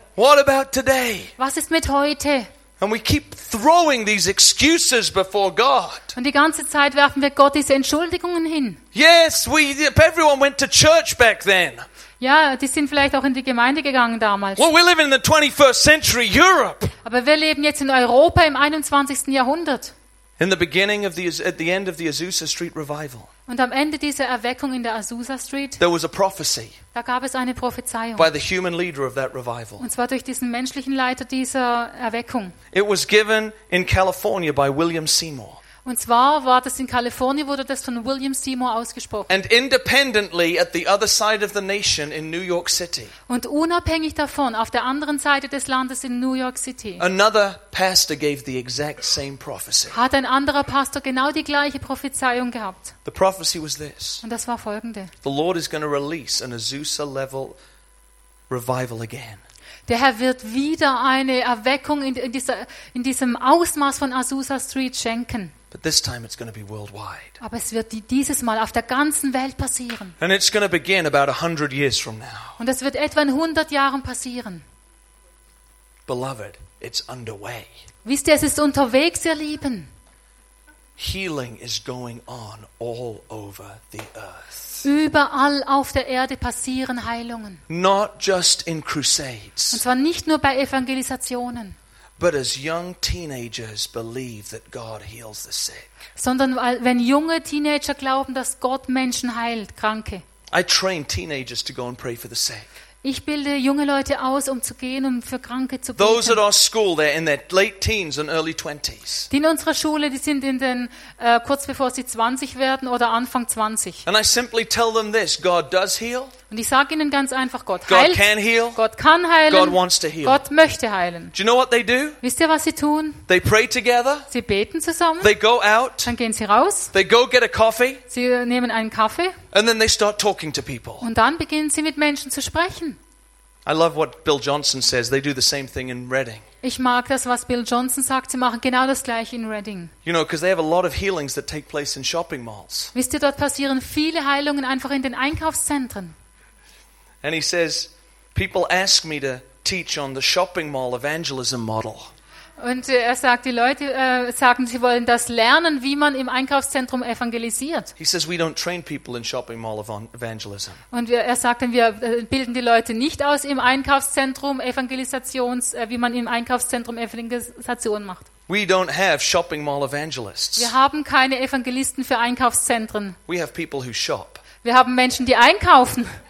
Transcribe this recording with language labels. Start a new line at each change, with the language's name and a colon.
English: What about today?
German: Was ist mit heute?
English: And we keep throwing these excuses before God.
German: Und die ganze Zeit werfen wir Gott diese Entschuldigungen hin.
English: Yes, everyone went to church back then.
German: Ja, die sind vielleicht auch in die Gemeinde gegangen damals.
English: Well, we live in the 21st century Europe.
German: Aber wir leben jetzt in Europa im 21. Jahrhundert.
English: In the beginning of the end of the Azusa Street revival.
German: Und am Ende dieser Erweckung in der Azusa Street.
English: There was a prophecy.
German: Da gab es eine Prophezeiung.
English: By the human leader of that revival.
German: Und zwar durch diesen menschlichen Leiter dieser Erweckung.
English: It was given in California by William Seymour.
German: Und zwar war das in Kalifornien, wurde das von William Seymour ausgesprochen.
English: And independently at the other side of the nation in New York City.
German: Und unabhängig davon auf der anderen Seite des Landes in New York City.
English: Another pastor gave the exact same prophecy.
German: Hat ein anderer Pastor genau die gleiche Prophezeiung gehabt.
English: The prophecy was this.
German: Und das war folgende.
English: The Lord is going to release an Azusa level revival again.
German: Der Herr wird wieder eine Erweckung in diesem Ausmaß von Azusa Street schenken.
English: But this time it's going to be worldwide.
German: Aber es wird dieses Mal auf der ganzen Welt passieren.
English: And it's going to begin about 100 years from now.
German: Und es wird etwa in 100 Jahren passieren.
English: Beloved, it's underway.
German: Wisst ihr, es ist unterwegs, ihr Lieben.
English: Healing is going on all over the earth.
German: Überall auf der Erde passieren Heilungen.
English: Not just in crusades.
German: Und zwar nicht nur bei Evangelisationen.
English: But as young teenagers believe that God heals the sick.
German: Sondern wenn junge Teenager glauben, dass Gott Menschen heilt, Kranke.
English: I train teenagers to go and pray for the sick.
German: Ich bilde junge Leute aus, um zu gehen, um für Kranke zu beten.
English: Those at our school, they're in their late teens and early 20s.
German: Die in unserer Schule, die sind in den kurz bevor sie 20 werden oder Anfang 20.
English: And I simply tell them this: God does heal.
German: Und ich sage ihnen ganz einfach: Gott heilt.
English: God can heal.
German: Gott kann heilen.
English: God wants to heal.
German: Gott möchte heilen.
English: Do you know what they do?
German: Wisst ihr, was sie tun?
English: They pray together.
German: Sie beten zusammen.
English: They go out.
German: Dann gehen sie raus.
English: They go get a coffee.
German: Sie nehmen einen Kaffee.
English: And then they start talking to people.
German: Und dann beginnen sie mit Menschen zu sprechen.
English: I love what Bill Johnson says. They do the same thing in Reading.
German: Ich mag das, was Bill Johnson sagt. Sie machen genau das gleiche in Reading.
English: You know, because they have a lot of healings that take place in shopping malls.
German: Wisst ihr, dort passieren viele Heilungen einfach in den Einkaufszentren.
English: And he says, people ask me to teach on the shopping mall evangelism model.
German: Und er sagt, die Leute sagen, sie wollen das lernen, wie man im Einkaufszentrum evangelisiert.
English: He says we don't train people in shopping mall evangelism.
German: Und er sagt, wir bilden die Leute nicht aus im Einkaufszentrum Evangelisations, wie man im Einkaufszentrum Evangelisation macht.
English: We don't have shopping mall evangelists.
German: Wir haben keine Evangelisten für Einkaufszentren.
English: We have people who shop.
German: Wir haben Menschen, die einkaufen.